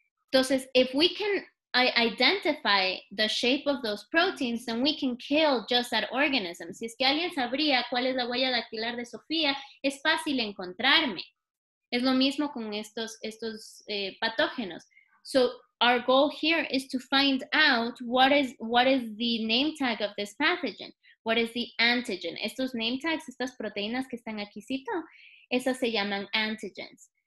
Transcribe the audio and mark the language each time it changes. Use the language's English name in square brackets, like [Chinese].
[English] Entonces, if we can identify the shape of those proteins, then we can kill just that organism. [Spanish] Si es que alguien sabría cuál es la huella dactilar de Sofía, es fácil encontrarme. Es lo mismo con estos patógenos. [English] So our goal here is to find out what is the name tag of this pathogen. What is the antigen? [Spanish] Estos name tags, estas proteínas que están aquícito, esas se llaman antigens.